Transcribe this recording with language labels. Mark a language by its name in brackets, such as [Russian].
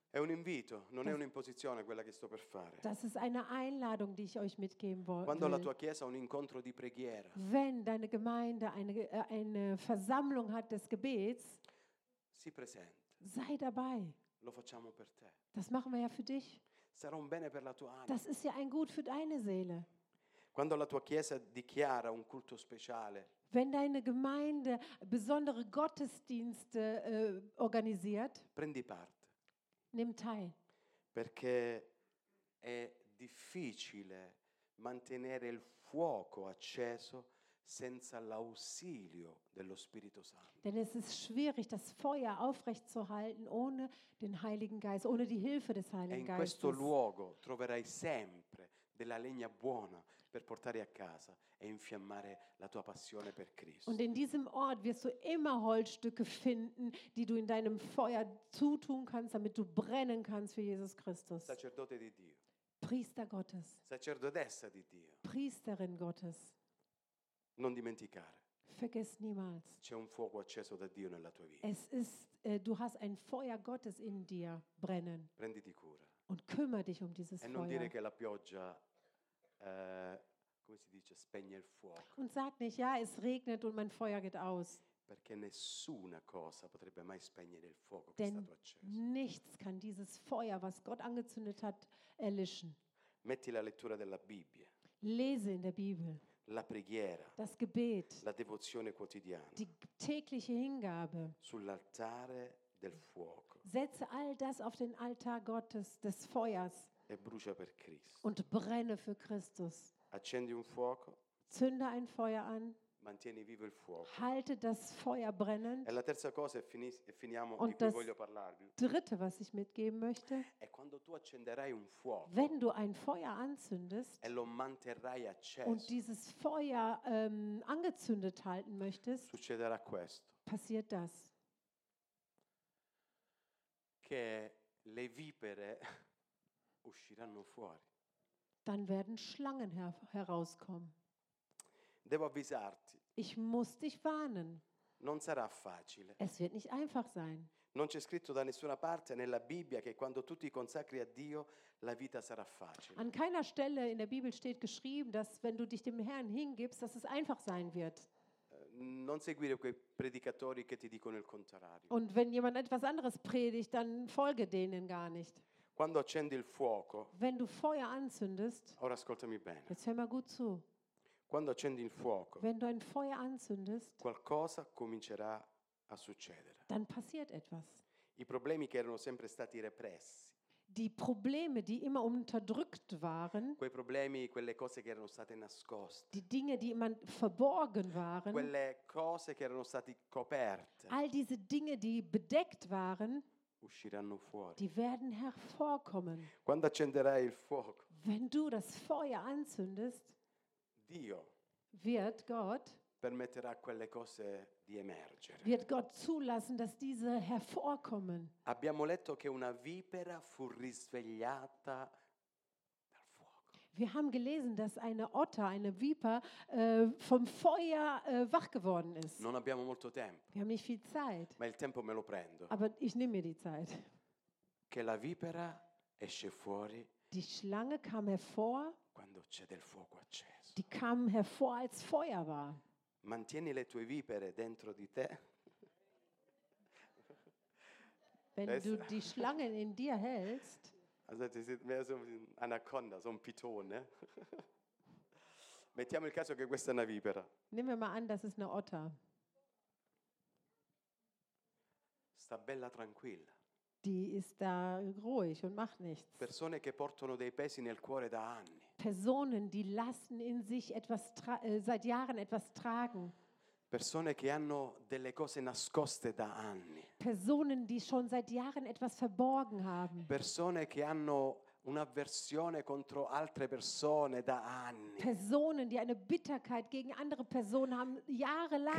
[Italian] È un invito, non è un'imposizione quella che sto per fare. [German] Das ist eine Einladung, die ich euch mitgeben wollte. [Italian] Quando la tua chiesa ha un incontro di preghiera. [German] Wenn deine Gemeinde eine Versammlung hat des Gebets. [Italian] Sii presente. [German] Sei dabei. [Italian] Lo facciamo per te. [German] Das machen wir ja für dich. [Italian] Sarà un bene per la tua anima. [German] Das ist ja ein Gut für deine Seele. [Italian] Quando la tua chiesa dichiara un culto speciale. [German] Wenn deine Gemeinde besondere Gottesdienste organisiert. [Italian] Prendi parte. [German] Nimm teil. [Italian] Perché è difficile mantenere il fuoco acceso senza l'ausilio dello Spirito Santo. [German] Denn es ist schwierig, das Feuer aufrecht zu halten ohne den Heiligen Geist, ohne die Hilfe des Heiligen Geistes. [Italian] E in questo luogo troverai sempre della legna buona per portare a casa e infiammare la tua passione per Cristo. [German] Und in diesem Ort wirst du immer Holzstücke finden, die du in deinem Feuer zutun kannst, damit du brennen kannst für Jesus Christus. [Italian] Sacerdote di Dio. [German] Priester Gottes. [Italian] Sacerdotessa di Dio. [German] Priesterin Gottes. [Italian] Non dimenticare. [German] Vergiss niemals. [Italian] C'è un fuoco acceso da Dio nella tua vita. [German] Es ist, du hast ein Feuer Gottes in dir brennen. [Italian] Prenditi cura. [German] Und kümmere dich um dieses [Italian] e non [German] Feuer. [Italian] Dire che la pioggia come si dice, spegne il fuoco. [German] Und sag nicht, ja, es regnet und mein Feuer geht aus. [Italian] Perché nessuna cosa potrebbe mai spegnere il fuoco che è stato acceso. [German] Nichts kann dieses Feuer, was Gott angezündet hat, erlöschen. [Italian] Metti la lettura della Bibbia. [German] Lese in der Bibel. [Italian] la preghiera, [German] das Gebet, [Italian] la devozione quotidiana, [German] die tägliche Hingabe, [Italian] sull'altare del fuoco. [German] Setze all das auf den Altar Gottes, des Feuers, [Italian] e brucia per Cristo. [German] Und brenne für Christus. [Italian] Accendi un fuoco, [German] zünde ein Feuer an. [Italian] Mantieni vivo il fuoco. [German] Halte das Feuer brennend. [Italian] E la terza cosa, e finiamo, [German] und [Italian] di cui voglio parlarvi. [German] Dritte, was ich mitgeben möchte, [Italian] è quando tu accenderai un fuoco, [German] wenn du ein Feuer anzündest, [Italian] e lo manterrai acceso, [German] und dieses Feuer angezündet halten möchtest, [Italian] succederà questo. [German] Passiert das. [Italian] Che le vipere usciranno fuori. [German] Dann werden Schlangen herauskommen. [Italian] Devo avvisarti. [German] Ich muss dich warnen. [Italian] Non sarà facile. [German] Es wird nicht einfach sein. [Italian] Non c'è scritto da nessuna parte nella Bibbia che quando tu ti consacri a Dio la vita sarà facile. [German] An keiner Stelle in der Bibel steht geschrieben, dass wenn du dich dem Herrn hingibst, dass es einfach sein wird. [Italian] Non seguire quei predicatori che ti dicono il contrario. [German] Und wenn jemand etwas anderes predigt, dann folge denen gar nicht. [Italian] Quando accendi il fuoco, [German] wenn du Feuer anzündest, [Italian] ora ascoltami bene. [German] Jetzt hör mal gut zu. [Italian] Quando accendi il fuoco, [German] wenn du ein Feuer anzündest, [Italian] qualcosa comincerà a succedere. [German] Dann passiert etwas. [Italian] I problemi che erano sempre stati repressi, [German] die Probleme, die immer unterdrückt waren, [Italian] quei problemi, quelle cose che erano state nascoste, [German] die Dinge, die immer verborgen waren, [Italian] quelle cose che erano state coperte, [German] all diese Dinge, die bedeckt waren, [Italian] usciranno fuori. [German] Die werden hervorkommen. [Italian] Quando accenderai il fuoco, [German] wenn du das Feuer anzündest, [Italian] Dio [German] wird Gott [Italian] permetterà quelle cose di emergere. [German] Wird Gott zulassen, dass diese hervorkommen. [Italian] Abbiamo letto che una vipera fu risvegliata dal fuoco. [German] Wir haben gelesen, dass eine Otter, eine Viper, vom Feuer wach geworden ist. [Italian] Non abbiamo molto tempo. [German] Wir haben nicht viel Zeit. [Italian] Ma il tempo me lo prendo. [German] Aber ich nehme mir die Zeit. [Italian] Che la vipera esce fuori. [German] Die Schlange kam hervor. [Italian] Quando c'è del fuoco acceso. [German] Die kam hervor, als Feuer war. [Italian] Mantieni le tue vipere dentro di te. [German] Wenn du die Schlangen in dir hältst. Also das ist mehr so ein Anaconda, so ein Pitone. [Italian] Mettiamo il caso che questa è una vipera. [German] Nehmen wir mal an, das ist eine Otter. [Italian] Sta bella tranquilla. [German] Die ist da ruhig und macht nichts. [Italian] Persone che portano dei pesi nel cuore da anni. [German] Personen, die lassen in sich etwas seit Jahren etwas tragen. [Italian] Persone che hanno delle cose nascoste da anni. [German] Personen, die schon seit Jahren etwas verborgen haben. [Italian] Persone che hanno un'avversione contro altre persone da anni. [German] Personen, die eine Bitterkeit gegen andere Personen haben, jahrelang.